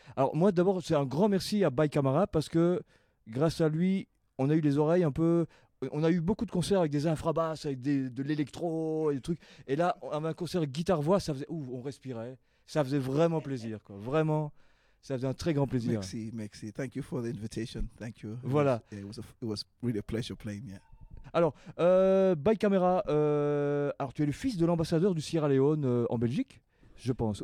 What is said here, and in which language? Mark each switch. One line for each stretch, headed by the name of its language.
French: Alors moi d'abord c'est un grand merci à Bai Camara parce que grâce à lui on a eu les oreilles un peu, on a eu beaucoup de concerts avec des infrabasses, avec de l'électro et des trucs. Et là on avait un concert guitare voix, ça faisait ouh, on respirait, ça faisait vraiment plaisir quoi, vraiment. Ça faisait un très grand plaisir. Merci, merci.
English: Thank you for the invitation. Thank you.
French: Voilà.
English: It was really a pleasure playing, yeah.
French: Alors, Bai Camara, alors tu es le fils de l'ambassadeur du Sierra Leone en Belgique, je pense.